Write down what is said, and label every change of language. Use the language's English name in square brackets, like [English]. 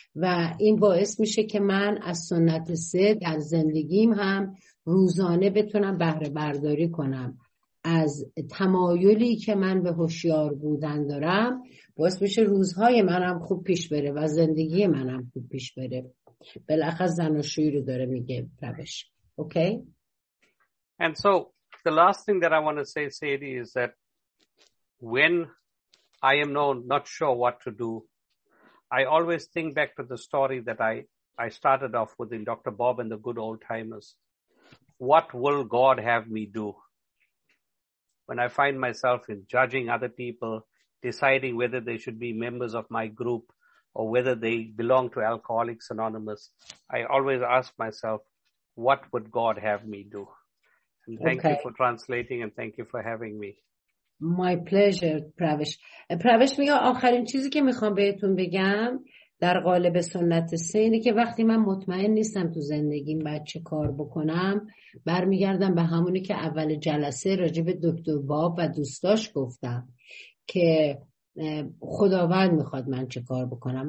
[Persian] و این باعث میشه که من از سنت سه در زندگیم هم روزانه بتونم بهره برداری کنم. از تمایلی که من به هوشیار بودن دارم باعث میشه روزهای منم خوب پیش بره و زندگی منم خوب پیش بره. بالاخره زناشویی رو داره میگه روش. [English] Okay. And so the last thing that I want to say, Sadie, is that when I am not sure what to do, I always think back to the story that I started off with in Dr. Bob and the Good Old Timers. What will God have me do? When I find myself in judging other people, deciding whether they should be members of my group or whether they belong to Alcoholics Anonymous, I always ask myself, what would God have me do? And thank you for translating and thank you for having me. My pleasure, Pravesh. [Persian] Pravesh, میگه آخرین چیزی که میخوام بهتون بگم در قالب سنت سه اینه که وقتی من مطمئن نیستم تو زندگیم باید چه کار بکنم، برمیگردم به همونی که اول جلسه راجع به دکتر باب و دوستاش گفتم که خداوند میخواد من چه کار بکنم.